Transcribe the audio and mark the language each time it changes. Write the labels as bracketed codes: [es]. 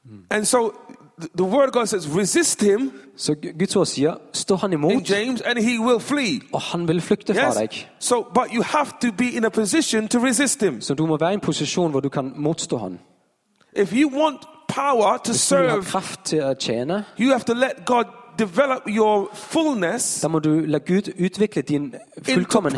[en] And so the word of God says resist him. [no] Så Guds ord sier, stå han imot. [en] In James, and he will flee. [no] Og han vil flykte fra deg. [en] So, but you have to be in a position to resist him. [no] Så du må være i en posisjon hvor du kan motstå han. [en] If you want power to serve, [no] kraft til å tjene, [en] you have to let God develop your fullness. [no] Da må du la Gud utvikle din fullkommenhet